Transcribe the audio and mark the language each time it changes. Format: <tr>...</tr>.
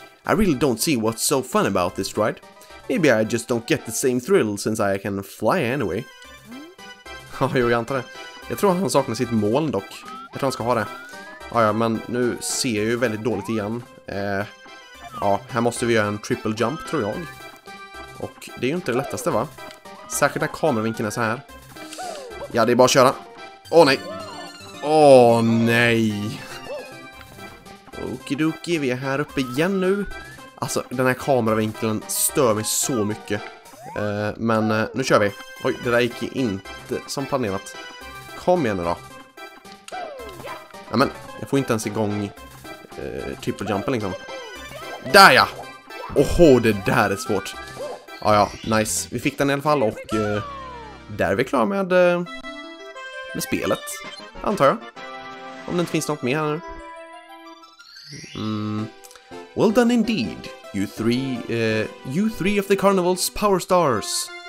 <en>I really don't see what's so fun about this ride. Maybe I just don't get the same thrill since I can fly anyway.</en> <sv>Ja, jo, jag antar det. Jag tror han saknar sitt mål dock. Jag tror han ska ha det. Ja, men nu ser jag ju väldigt dåligt igen. Ja, här måste vi göra en triple jump, tror jag. Och det är ju inte det lättaste, va? Särskilt när kameravinkeln är så här. Ja, det är bara att köra. Åh, nej! Åh, nej! Okidoki, vi är här uppe igen nu. Alltså, den här kameravinkeln stör mig så mycket. Men nu kör vi. Oj, det där gick inte som planerat. Kom igen nu då. Men jag får inte ens igång triple jumpen liksom. Där ja! Åh, det där är svårt. Ja, nice. Vi fick den i alla fall och där är vi klara med spelet. Antar jag. Om det inte finns något mer här nu.</sv> <en>Well done indeed. You three of the carnival's power stars.</en>